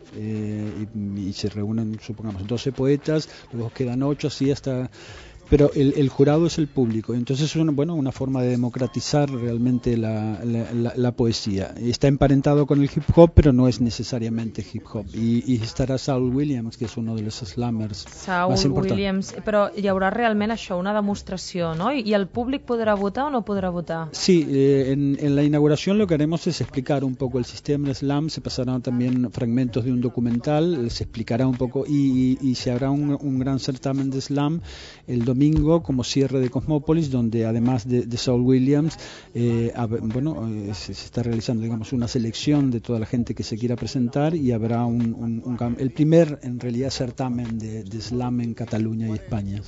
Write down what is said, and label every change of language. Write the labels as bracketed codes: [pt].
[es] Y se reúnen, supongamos, 12 poetas, luego quedan 8, así hasta... Pero el jurado es el público, entonces es una forma de democratizar realmente la poesía. Está emparentado con el hip hop, pero no es necesariamente hip hop. Y estará Saul Williams, que es uno de los slammers más importantes. [ca] Saul Williams, però hi haurà realment això, una demostració, no? I el públic podrà votar o no podrà votar? [es] Sí, en la inauguración lo que haremos es explicar un poco el sistema de slam, se pasarán también fragmentos de un documental, se explicará un poco y se habrá un gran certamen de slam el domingo como cierre de Cosmópolis, donde además de Saul Williams se está realizando, digamos, una selección de toda la gente que se quiera presentar, y habrá un el primer en realidad certamen de slam en Cataluña y España.